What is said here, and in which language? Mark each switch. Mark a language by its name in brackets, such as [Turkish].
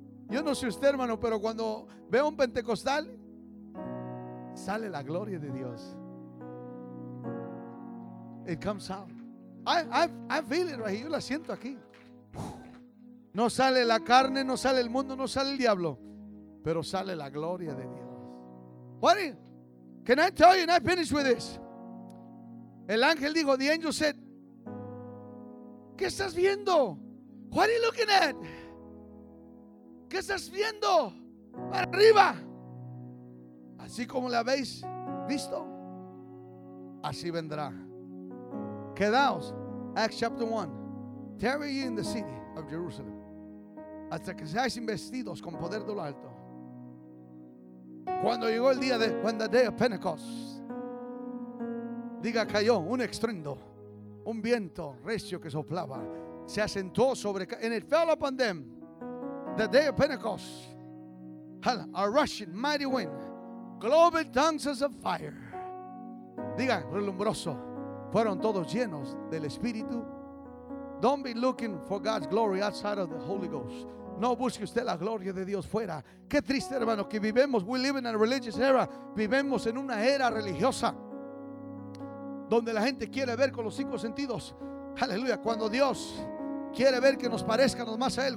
[Spanish] Yo no sé usted, hermano, pero cuando veo un pentecostal, sale la gloria de Dios. [English] It comes out. I feel it right here. [Spanish] Yo la siento aquí. No sale la carne, no sale el mundo, no sale el diablo, pero sale la gloria de Dios. [English] What is, can I tell you, and I finish with this. [Spanish] El ángel dijo, [English] the angel said, [Spanish] ¿qué estás viendo? [English] What are you looking at? [Spanish] ¿Qué estás viendo? Para arriba. Así como la habéis visto, así vendrá. Quedaos. [English] Acts chapter 1. Tarry ye in the city of Jerusalem [Spanish] hasta que seáis investidos con poder de lo alto. Cuando llegó el día de, [English] when the day of Pentecost, [Spanish] diga, cayó un estruendo, un viento recio que soplaba, se asentó sobre, [English] and it fell upon them, the day of Pentecost, a rushing mighty wind, global tongues as of fire, [Spanish] diga, relumbroso, fueron todos llenos del Espíritu. [English] Don't be looking for God's glory outside of the Holy Ghost. [Spanish] No busque usted la gloria de Dios fuera. Qué triste, hermano, que vivemos, [English] we live in a religious era, [Spanish] vivemos en una era religiosa donde la gente quiere ver con los cinco sentidos. Aleluya, cuando Dios quiere ver que nos parezcamos más a Él.